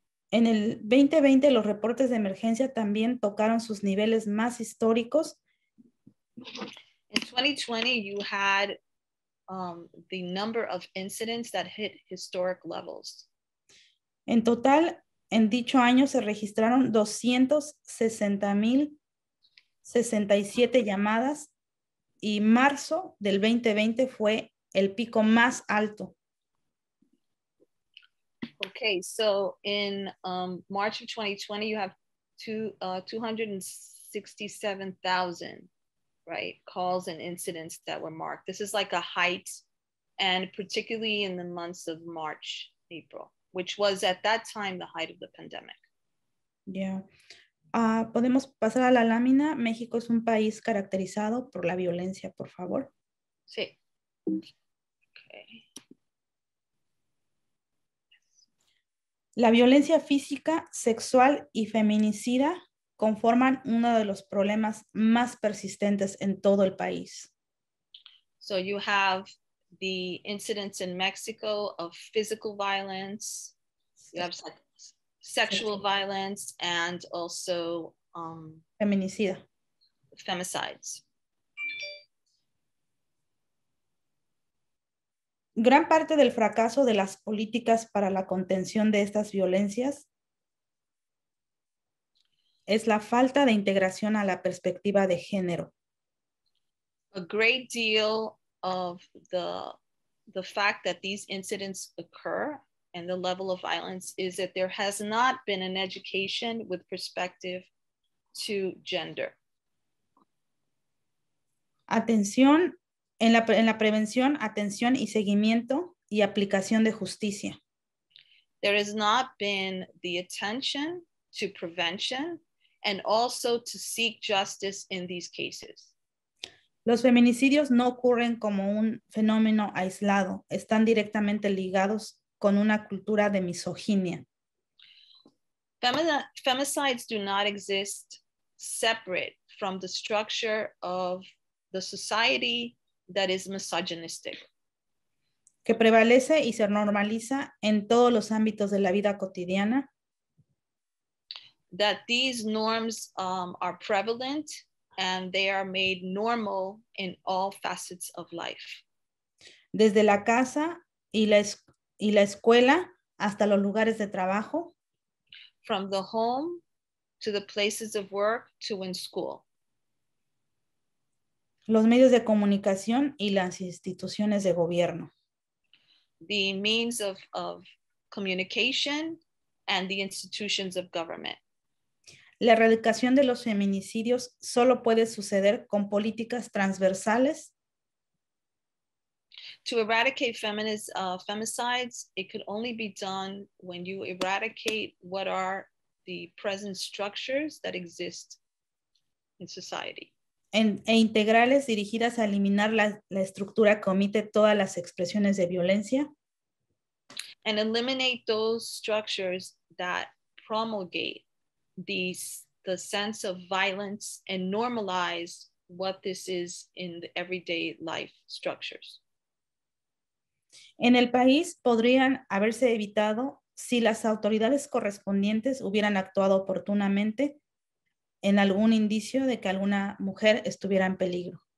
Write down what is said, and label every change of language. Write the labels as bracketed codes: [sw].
[es] En el 2020, los reportes de emergencia también tocaron sus niveles más históricos. [en] In 2020, you had the number of incidents that hit historic levels. [es] En total, en dicho año se registraron 260,067 llamadas y marzo del 2020 fue el pico más alto. [en] Okay, so in March of 2020, you have 267,000, right, calls and incidents that were marked. This is like a height, and particularly in the months of March, April, which was at that time the height of the pandemic. [es] Yeah. Podemos pasar a la lámina. México es un país caracterizado por la violencia, por favor. Sí. La violencia física, sexual y feminicida conforman uno de los problemas más persistentes en todo el país. [en] So you have the incidents in Mexico of physical violence, you have sexual violence, and also [es] feminicida. [en] Femicides. [es] Gran parte del fracaso de las políticas para la contención de estas violencias es la falta de integración a la perspectiva de género. [en] A great deal of the fact that these incidents occur and the level of violence is that there has not been an education with perspective to gender. [es] Atención. En la prevención, atención y seguimiento y aplicación de justicia. [en] There has not been the attention to prevention and also to seek justice in these cases. [es] Los feminicidios no ocurren como un fenómeno aislado. Están directamente ligados con una cultura de misoginia. [en] Femicides do not exist separate from the structure of the society that is misogynistic. [es] Que prevalece y se normaliza en todos los ámbitos de la vida cotidiana. [en] That these norms are prevalent and they are made normal in all facets of life. [es] Desde la casa y la escuela hasta los lugares de trabajo. [en] From the home to the places of work to in school. [es] Los medios de comunicación y las instituciones de gobierno. [en] The means of communication and the institutions of government. [es] La erradicación de los feminicidios solo puede suceder con políticas transversales. [en] To eradicate femicides, it could only be done when you eradicate what are the present structures that exist in society. [es] E integrales dirigidas a eliminar la estructura que omite todas las expresiones de violencia. [en] And eliminate those structures that promulgate the sense of violence and normalize what this is in the everyday life structures. [es] En el país podrían haberse evitado si las autoridades correspondientes hubieran actuado oportunamente en algún indicio de que alguna mujer estuviera en peligro.